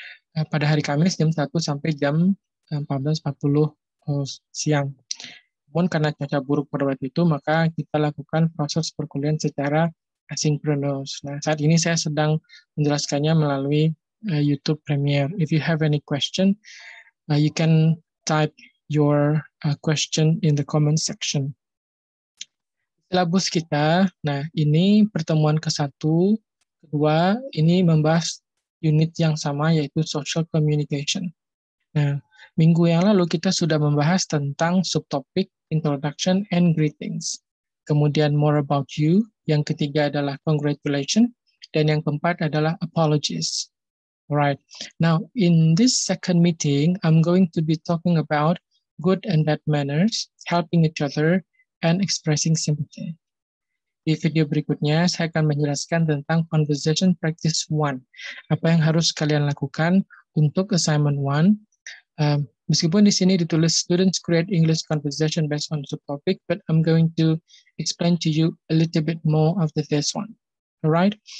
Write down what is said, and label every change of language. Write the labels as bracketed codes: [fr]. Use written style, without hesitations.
[id] Pada hari Kamis jam 1 sampai jam 14.40 siang. Namun karena cuaca buruk pada waktu itu, maka kita lakukan proses perkuliahan secara asynchronous. Nah, saat ini saya sedang menjelaskannya melalui YouTube Premiere. [en] If you have any question, you can type your question in the comment section. [id] Silabus kita, nah ini pertemuan ke-1, kedua, ini membahas unit yang sama yaitu social communication. Nah, minggu yang lalu kita sudah membahas tentang subtopik introduction and greetings. Kemudian more about you, yang ketiga adalah congratulation, dan yang keempat adalah apologies. [en] Alright, now in this second meeting, I'm going to be talking about good and bad manners, helping each other, and expressing sympathy. [id] Di video berikutnya, saya akan menjelaskan tentang conversation practice 1. Apa yang harus kalian lakukan untuk assignment 1, meskipun di sini ditulis [en] students create English conversation based on subtopic, but I'm going to explain to you a little bit more after this one. All right.